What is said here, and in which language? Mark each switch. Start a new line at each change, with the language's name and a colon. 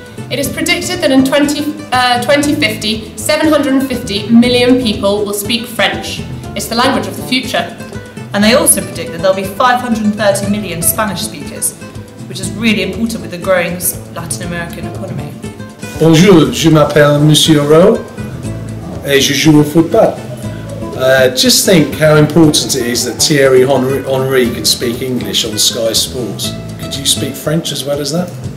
English: It is predicted that in 2050, 750 million people will speak French. It's the language of the future. And they also predict that there'll be 530 million Spanish speakers, which is really important with the growing Latin American economy.
French: Bonjour, je m'appelle Monsieur Rowe, et je joue au football.
English: Just think how important it is that Thierry Henry could speak English on Sky Sports. Could you speak French as well as that?